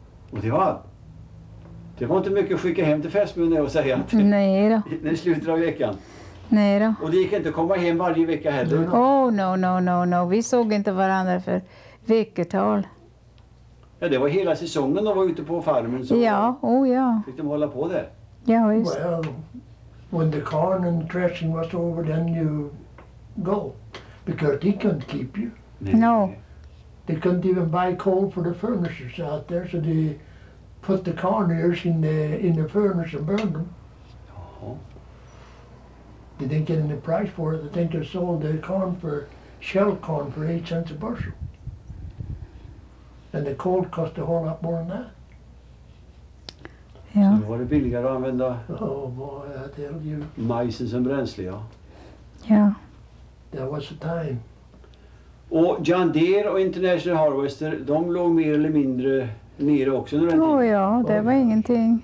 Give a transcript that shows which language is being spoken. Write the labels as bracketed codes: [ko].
[sv] Och det var inte mycket att skicka hem till festmunnen och säga att... Nej då. När det slutet av veckan. Nej då. Och det gick inte att komma hem varje vecka heller. [en] No. Oh, no, no, no, no. [sv] Vi såg inte varandra för veckotal. Ja, det var hela säsongen de var ute på farmen. Så ja, oh ja. Fick de hålla på där? Ja, visst. [en] Well, when the corn and threshing was over, then you go. Because they couldn't keep you. Nej. No. They couldn't even buy coal for the furnaces out there, so they put the corn ears in the furnace and burned them. Uh-huh. They didn't get any price for it. I think they sold the corn for shell corn for 8 cents a bushel. And the coal cost a whole lot more than that. Yeah. So it was [sv] billigare att använda. [en] Oh boy, I tell you. [sv] Majsen som bränsle, ja. Yeah. [en] That was the time. [sv] Och John Deere och International Harvester, de låg mer eller mindre nere också under den tiden? Oh ja, det var ingenting.